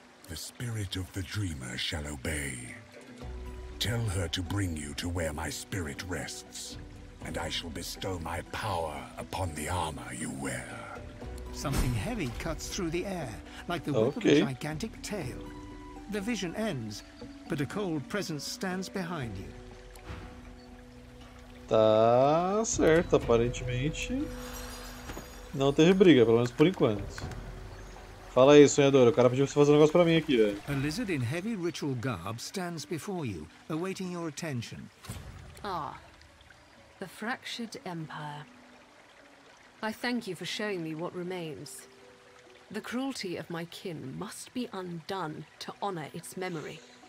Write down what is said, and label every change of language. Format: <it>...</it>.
<en>The spirit of the dreamer shall obey. Tell her to bring you to where my spirit rests, and I shall bestow my power upon the armor you wear. Something heavy cuts through the air, like the whip of a gigantic tail. The vision ends, but a cold presence stands behind you.</en> <pt>Tá certo, aparentemente. Não teve briga, pelo menos por enquanto. Fala aí, sonhador. O cara pediu você fazer um negócio pra mim aqui, velho.</pt> <en>A lizard in heavy ritual garb stands before you, awaiting your attention. Ah, the fractured empire. I thank you for showing me what remains. The cruelty of my kin must be undone to honor its memory.</en>